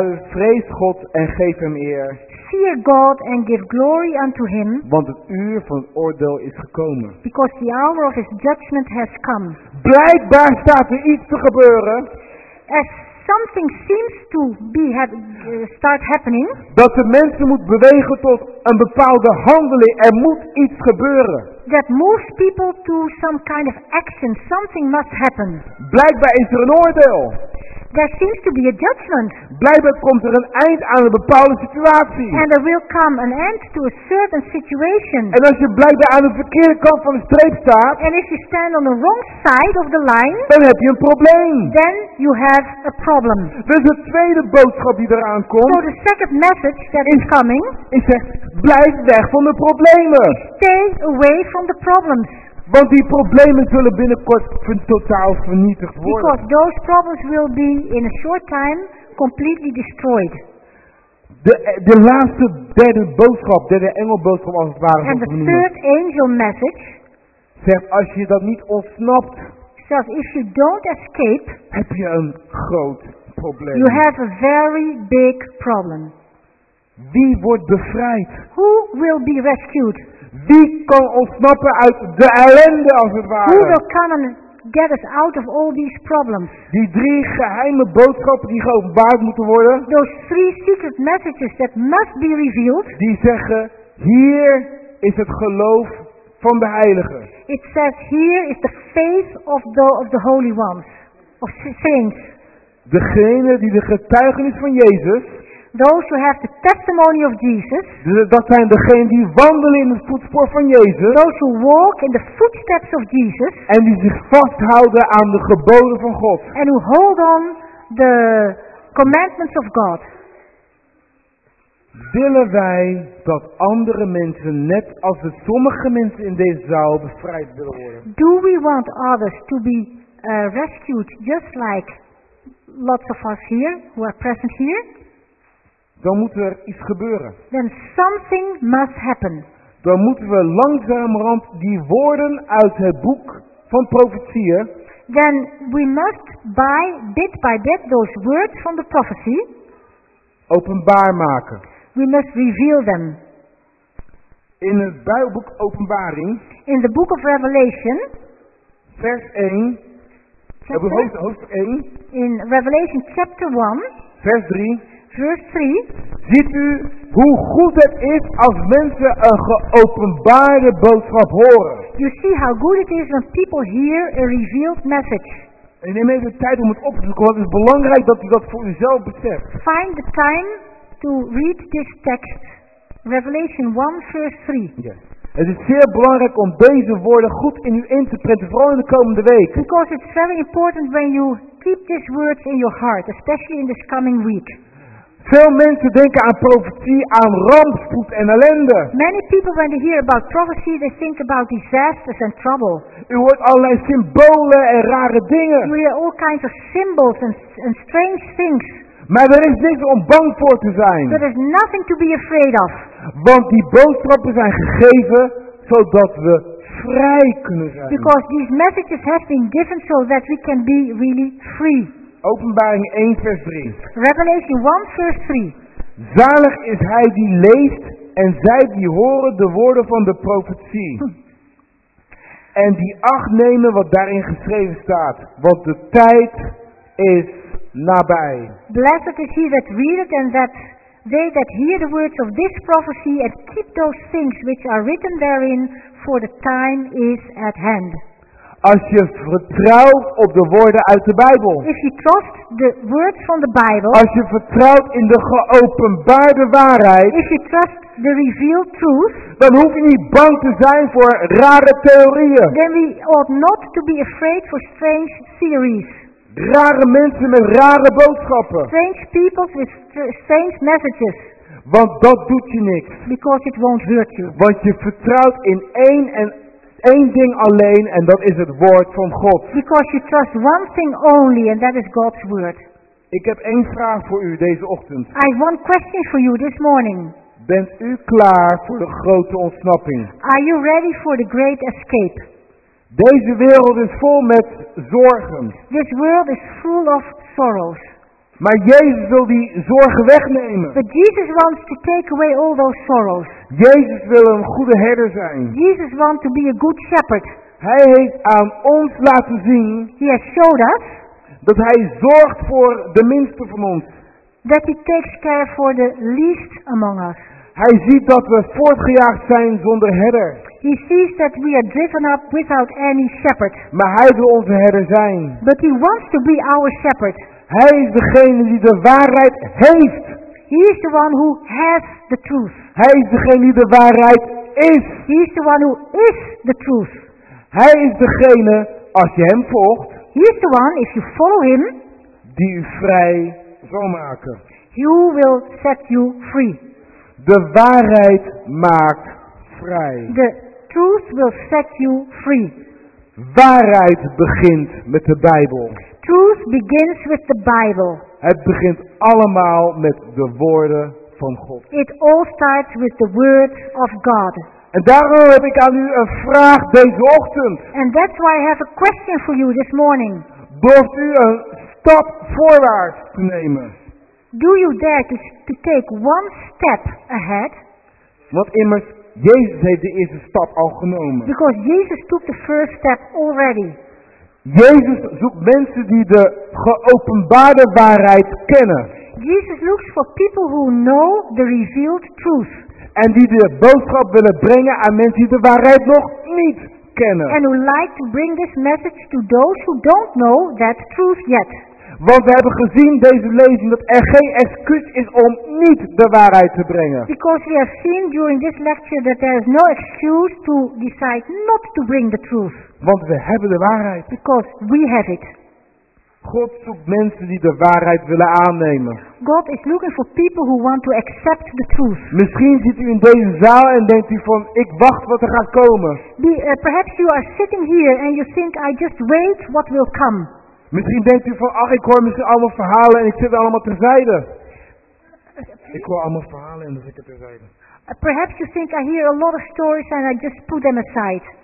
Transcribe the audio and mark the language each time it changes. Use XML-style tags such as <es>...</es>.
<nl>Vrees God en geef hem eer.</nl> <en>Fear God and give glory unto him.</en> <nl>Want het uur van het oordeel is gekomen.</nl> <en>Because the hour of his judgment has come.</en> <nl>Blijkbaar staat er iets te gebeuren.</nl> <en>As something seems to be start happening.</en> <nl>Dat de mensen moet bewegen tot een bepaalde handeling. Er moet iets gebeuren.</nl> <en>That moves people to some kind of action. Something must happen.</en> <nl>Blijkbaar is er een oordeel.</nl> <en>There seems to be a judgment.</en> <nl>Blijkbaar komt er een eind aan een bepaalde situatie.</nl> <en>And there will come an end to a certain situation.</en> <nl>En als je blijkbaar aan de verkeerde kant van de streep staat.</nl> <en>And if you stand on the wrong side of the line.</en> <nl>Dan heb je een probleem.</nl> <en>Then you have a problem.</en> <nl>Dus de tweede boodschap die eraan komt.</nl> <en>So the second message that is coming.</en> <nl>Is zegt, blijf weg van de problemen.</nl> <en>Stay away from the problems.</en> <nl>Want die problemen zullen binnenkort totaal vernietigd worden.</nl> <en>Because those problems will be in a short time completely destroyed.</en> <nl>De laatste derde boodschap, derde engelboodschap als het ware.</nl> <en>And the third angel message.</en> <nl>Zegt als je dat niet ontsnapt.</nl> <en>Says if you don't escape.</en> <nl>Heb je een groot probleem.</nl> <en>You have a very big problem.</en> <nl>Wie wordt bevrijd?</nl> <en>Who will be rescued?</en> <nl>Wie kan ontsnappen uit de ellende als het ware?</nl> <en>Who will come and get us out of all these problems?</en> <nl>Die drie geheime boodschappen die geopenbaard moeten worden.</nl> <en>Those three secret messages that must be revealed.</en> <nl>Die zeggen, hier is het geloof van de heiligen.</nl> <en>It says, here is the faith of the holy ones, of saints.</en> <nl>Degene die de getuigenis van Jezus.</nl> <en>Those who have the testimony of Jesus.</en> <nl>Dat zijn degenen die wandelen in het voetspoor van Jezus.</nl> <en>Those who walk in the footsteps of Jesus.</en> <nl>En die zich vasthouden aan de geboden van God.</nl> <en>And who hold on the commandments of God.</en> <nl>Willen wij dat andere mensen, net als de sommige mensen in deze zaal, bevrijd willen worden?</nl> <en>Do we want others to be rescued just like lots of us here, who are present here?</en> <nl>Dan moet er iets gebeuren.</nl> <en>Then something must happen.</en> <nl>Dan moeten we langzamerhand die woorden uit het boek van profetieën.</nl> <en>Then we must buy bit by bit those words from the prophecy.</en> <nl>Openbaar maken.</nl> <en>We must reveal them.</en> <nl>In het Bijbelboek Openbaring.</nl> <en>In the book of Revelation.</en> <nl>Vers 1. Chapter, hoofdstuk 1.</nl> <en>In Revelation chapter 1.</en> <nl>Vers 3. Vers 3. Ziet u hoe goed het is als mensen een geopenbaarde boodschap horen?</nl> <en>You see how good it is when people hear a revealed message.</en> <nl>En neem even tijd om het op te zoeken, want het is belangrijk dat u dat voor uzelf beseft.</nl> <en>Find the time to read this text. Revelation 1, verse 3. Yes.</en> <nl>Het is zeer belangrijk om deze woorden goed in u in te prenten, vooral in de komende week.</nl> <en>Because it's very important when you keep these words in your heart, especially in this coming week.</en> <nl>Veel mensen denken aan profetie, aan rampspoed en ellende.</nl> <en>Many people when they hear about prophecy, they think about disasters and trouble.</en> <nl>U hoort allerlei symbolen en rare dingen.</nl> <en>We hear all kinds of symbols and strange things.</en> <nl>Maar er is niks om bang voor te zijn.</nl> <en>There is nothing to be afraid of.</en> <nl>Want die boodschappen zijn gegeven zodat we vrij kunnen zijn.</nl> <en>Because these messages have been given so that we can be really free.</en> <nl>Openbaring 1 vers 3.</nl> <en>Revelation 1 vers 3.</en> <nl>Zalig is hij die leest en zij die horen de woorden van de profetie. En die acht nemen wat daarin geschreven staat. Want de tijd is nabij.</nl> <en>Blessed is he that readeth and that they that hear the words of this prophecy and keep those things which are written therein, for the time is at hand.</en> <nl>Als je vertrouwt op de woorden uit de Bijbel.</nl> <en>If you trust the words from the Bible.</en> <nl>Als je vertrouwt in de geopenbaarde waarheid.</nl> <en>If you trust the revealed truth.</en> <nl>Dan hoef je niet bang te zijn voor rare theorieën.</nl> <en>Then we ought not to be afraid for strange theories.</en> <nl>Rare mensen met rare boodschappen.</nl> <en>Strange people with strange messages.</en> <nl>Want dat doet je niks.</nl> <en>Because it won't hurt you.</en> <nl>Want je vertrouwt in één ding alleen en dat is het woord van God.</nl> <en>Because you trust one thing only and that is God's word.</en> <nl>Ik heb één vraag voor u deze ochtend.</nl> <en>I have one question for you this morning.</en> <nl>Bent u klaar voor de grote ontsnapping?</nl> <en>Are you ready for the great escape?</en> <nl>Deze wereld is vol met zorgen.</nl> <en>This world is full of sorrows.</en> <nl>Maar Jezus wil die zorgen wegnemen.</nl> <en>But Jesus wants to take away all those sorrows.</en> <nl>Jezus wil een goede herder zijn.</nl> <en>Jesus wants to be a good shepherd.</en> <nl>Hij heeft aan ons laten zien.</nl> <en>He has showed us.</en> <nl>Dat hij zorgt voor de minste van ons.</nl> <en>That he takes care for the least among us.</en> <nl>Hij ziet dat we voortgejaagd zijn zonder herder.</nl> <en>He sees that we are driven up without any shepherd.</en> <nl>Maar hij wil onze herder zijn.</nl> <en>But he wants to be our shepherd.</en> <nl>Hij is degene die de waarheid heeft.</nl> <en>He is the one who has the truth.</en> <nl>Hij is degene die de waarheid is.</nl> <en>He is the one who is the truth.</en> <nl>Hij is degene, als je hem volgt.</nl> <en>He is the one, if you follow him.</en> <nl>Die u vrij zal maken.</nl> <en>He will set you free.</en> <nl>De waarheid maakt vrij.</nl> <en>The truth will set you free.</en> <nl>Waarheid begint met de Bijbel.</nl> <en>Truth begins with the Bible.</en> <nl>Het begint allemaal met de woorden van God.</nl> <en>It all starts with the word of God.</en> <nl>En daarom heb ik aan u een vraag deze ochtend.</nl> <en>And that's why I have a question for you this morning.</en> <nl>Durft u een stap voorwaarts te nemen?</nl> <en>Do you dare to take one step ahead?</en> <nl>Want immers, Jezus heeft de eerste stap al genomen.</nl> <en>Because Jesus took the first step already.</en> <nl>Jezus zoekt mensen die de geopenbaarde waarheid kennen.</nl> <en>Jesus looks for people who know the revealed truth.</en> <nl>En die de boodschap willen brengen aan mensen die de waarheid nog niet kennen.</nl> <en>And who like to bring this message to those who don't know that truth yet.</en> <nl>Want we hebben gezien deze lezing dat er geen excuus is om niet de waarheid te brengen.</nl> <en>Because we have seen during this lecture that there is no excuse to decide not to bring the truth.</en> <nl>Want we hebben de waarheid.</nl> <en>Because we have it.</en> <nl>God zoekt mensen die de waarheid willen aannemen.</nl> <en>God is looking for people who want to accept the truth.</en> <nl>Misschien zit u in deze zaal en denkt u van, ik wacht wat er gaat komen.</nl> <en>Perhaps you are sitting here and you think, I just wait what will come.</en> <nl>Misschien denkt u van, ach, ik hoor misschien allemaal verhalen en ik zit allemaal terzijde. Ik hoor allemaal verhalen en dan zit ik terzijde.</nl> <en>Perhaps you think I hear a lot of stories and I just put them aside.</en>